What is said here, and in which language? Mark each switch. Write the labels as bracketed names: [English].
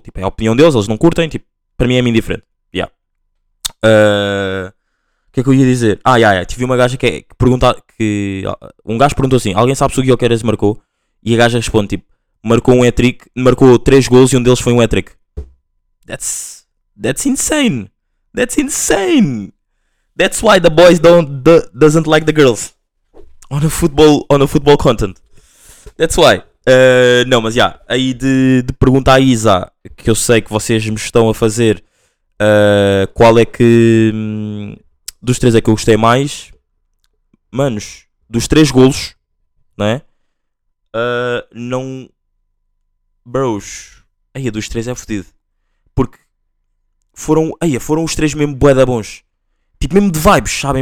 [Portuguese] Tipo, é a opinião deles, eles não curtem. Tipo, para mim é indiferente. O que é que eu ia dizer? Tive uma gaja que perguntar que. Um gajo perguntou assim: alguém sabe se o Gyökeres marcou? E a gaja responde: tipo, marcou um hat-trick, marcou 3 golos e um deles foi um hat-trick. [English] That's insane! That's insane! That's why the boys doesn't like the girls on a football content. That's why. [Portuguese] Não, mas já, aí de pergunta à Isa, que eu sei que vocês me estão a fazer, qual é que dos três é que eu gostei mais? Manos, dos três golos, né? Não, bros, aí dos três é fodido, porque foram os três mesmo bué da bons, tipo mesmo de vibes, sabe?